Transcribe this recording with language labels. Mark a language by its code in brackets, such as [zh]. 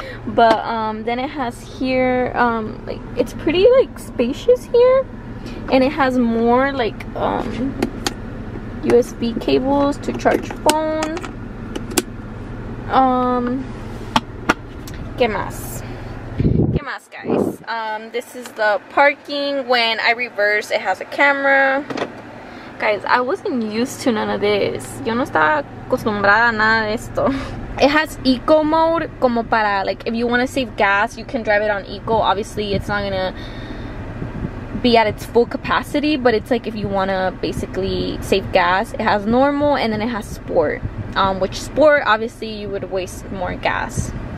[en] But then it has here, like, it's pretty like spacious here, and it has more like USB cables to charge phone. [es] ¿Qué más, [en] guys? This is the parking. When I reverse, it has a camera. Guys, I wasn't used to none of this. [es] Yo no estaba acostumbrada a nada de esto. [en] It has eco mode, [es] como para, [en] like, if you want to save gas, you can drive it on eco. Obviously, it's not gonna be at its full capacity, but it's like if you want to basically save gas. It has normal, and then it has sport, which sport, obviously, you would waste more gas.